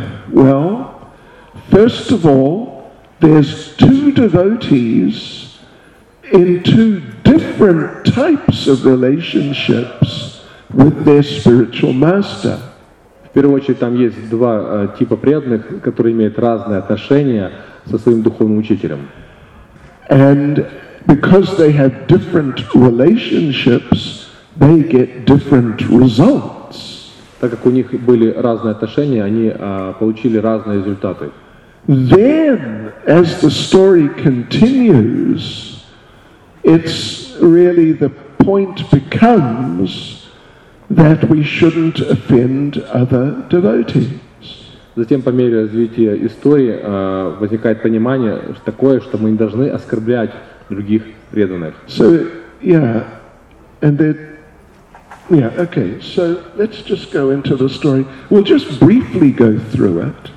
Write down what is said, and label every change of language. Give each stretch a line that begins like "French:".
English: Well, first of all, there's two devotees in two different types of relationships with their spiritual master.
Russian: В первую очередь, там есть два типа преданных, которые имеют разные отношения со своим духовным учителем.
English: And because they have different relationships, they get different results.
Russian: Так как у них были разные отношения, они получили разные результаты.
English: Then, as the story continues, it's really the point becomes that we shouldn't offend other devotees.
Russian: Затем по мере развития истории возникает понимание такое, что мы не должны оскорблять других преданных.
English: So, yeah, and that. Yeah, okay. So let's just go into the story. We'll just briefly go through it.